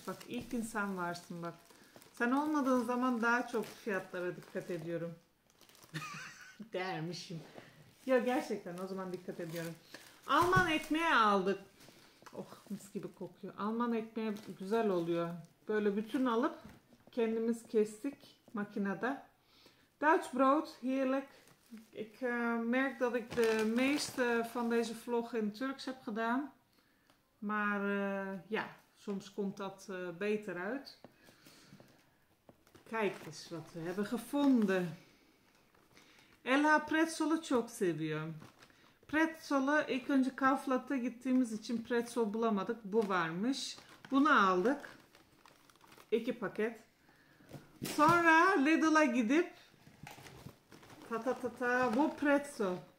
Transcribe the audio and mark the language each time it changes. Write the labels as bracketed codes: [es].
[tr] Bak ilk insan varsın bak. Sen olmadığın zaman daha çok fiyatlara dikkat ediyorum. Dermişim. Ya gerçekten o zaman dikkat ediyorum. Alman ekmeği aldık. Oh mis gibi kokuyor. Alman ekmeği güzel oluyor. Böyle bütün alıp kendimiz kestik makinede. [nl] Dutch Brot, heerlijk. Ik merk dat ik de meeste van deze vlog in Turks heb gedaan. Maar ja, soms komt dat beter uit. Kijk eens wat we hebben gevonden. [tr] Ella pretzel'ı çok seviyor. Pretzel'ı ilk önce Kaufland'a gittiğimiz için pretzel bulamadık. Bu varmış. Bunu aldık. 2 paket. Sonra Lidl'a gidip ta bu pretzel.